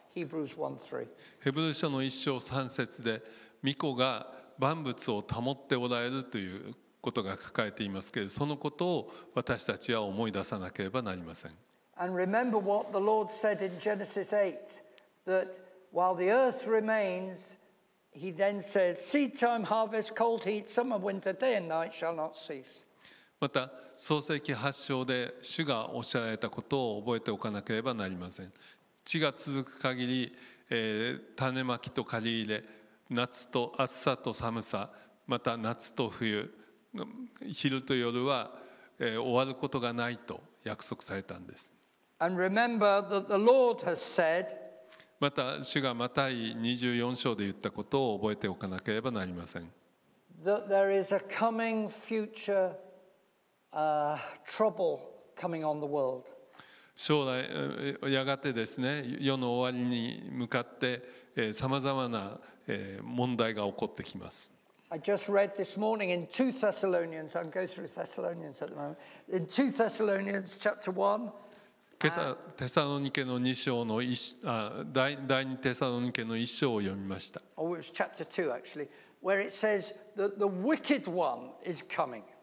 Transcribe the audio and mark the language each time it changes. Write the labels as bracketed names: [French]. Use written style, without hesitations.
[English] Hebrews 1:3. [Japanese] ヘブル書の1章3節で、御子が万物を保っておられるということが書かれていますけれど、そのことを私たちは思い出さなければなりません。 [English] And remember what the Lord said in Genesis 8. That while the earth remains, he then says, seed time, harvest, cold heat, summer, winter, day and night shall not cease. [Japanese] また創世記8章で主がおっしゃられたことを覚えておかなければなりません。地が続く限り、種まきと刈り入れ、夏と暑さと寒さ、また夏と冬、昼と夜は終わることがないと約束されたんです。 [English] And remember that the Lord has said、 [Japanese] また主がマタイ24章で言ったことを覚えておかなければなりません。 [English] That there is a coming future trouble coming on the world。 [Japanese] 将来やがてですね、世の終わりに向かってさまざまな問題が起こってきます。 [English] I just read this morning in 2 Thessalonians. I'm going through Thessalonians at the moment. In 2 Thessalonians chapter 1. [Japanese] 今朝テサロニケの2章の第2テサロニケの1章を読みました。 [English] Oh, it was chapter 2 actually, where it says that the wicked one is coming.